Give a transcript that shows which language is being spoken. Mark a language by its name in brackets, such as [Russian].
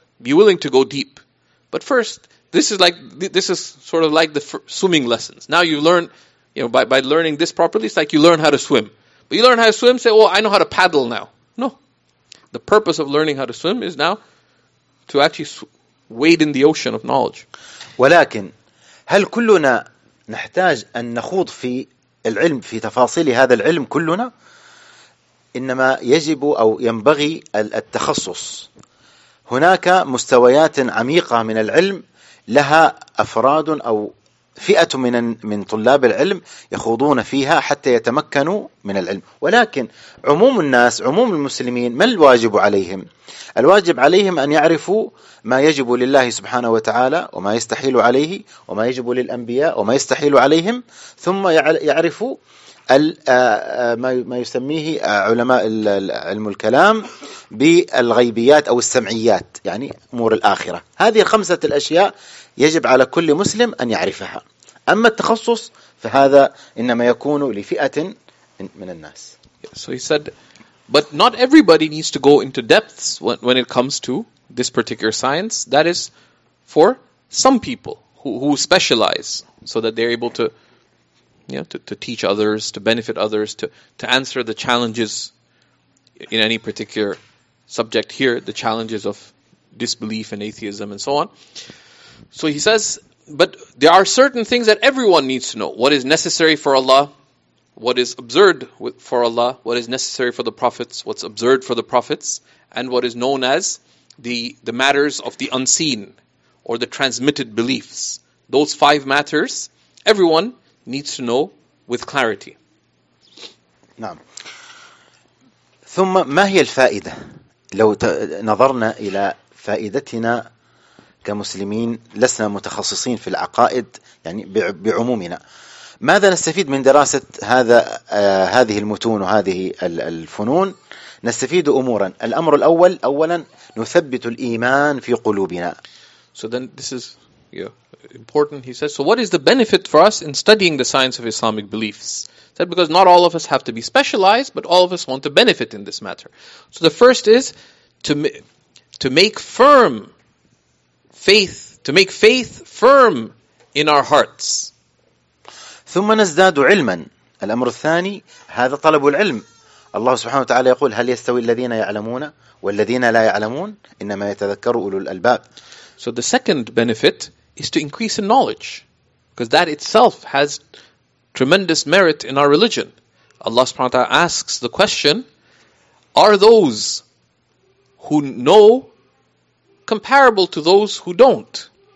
[English] Be willing to go deep. But first, this is sort of like the swimming lessons. Now you learn. By learning this properly, it's like you learn how to swim. But you learn how to swim, say, oh, I know how to paddle now. No. The purpose of learning how to swim is now to actually wade in the ocean of knowledge. [Arabic] ولكن هل كلنا نحتاج أن نخوض في العلم في تفاصيل هذا العلم كلنا؟ إنما يجب أو ينبغي التخصص. هناك مستويات عميقة من العلم لها أفراد أو فئة من طلاب العلم يخوضون فيها حتى يتمكنوا من العلم. ولكن عموم الناس، عموم المسلمين، ما الواجب عليهم؟ الواجب عليهم أن يعرفوا ما يجب لله سبحانه وتعالى وما يستحيل عليه، وما يجب للأنبياء وما يستحيل عليهم، ثم يعرفوا ما يسميه علماء علم الكلام بالغيبيات أو السمعيات، يعني أمور الآخرة. هذه الخمسة الأشياء يجب على كل مسلم أن يعرفها، أما التخصص فهذا إنما يكون لفئة من الناس. [English] So he said, but not everybody needs to go into depths when it comes to this particular science. That is for some people who specialize so that they're able to, you know, to teach others, to benefit others, to answer the challenges in any particular subject here, the challenges of disbelief and atheism and so on. So he says, but there are certain things that everyone needs to know. What is necessary for Allah, what is absurd for Allah, what is necessary for the prophets, what's absurd for the prophets, and what is known as the matters of the unseen or the transmitted beliefs. Those five matters, everyone needs to know with clarity. [Arabic] نعم. ثم ما هي الفائدة؟ لو نظرنا إلى فائدتنا كمسلمين لسنا متخصصين في العقائد يعني بعمومنا، ماذا نستفيد من دراسة هذه المتون وهذه الفنون؟ نستفيد أمورا. الأمر الأول، أولا نثبت الإيمان في قلوبنا. [English] So then this is important, he says. So what is the benefit for us in studying the science of Islamic beliefs? That because not all of us have to be specialized, but all of us want to benefit in this matter. So the first is to make firm faith, to make faith firm in our hearts. [Arabic] ثم نزداد علما. الأمر الثاني هذا طلب العلم. الله سبحانه وتعالى يقول هل يستوي الذين يعلمون والذين لا يعلمون إنما يتذكر أولو الألباب. [English] So the second benefit is to increase in knowledge, because that itself has tremendous merit in our religion. Allah subhanahu wa ta'ala asks the question, are those who know comparable to those who don't?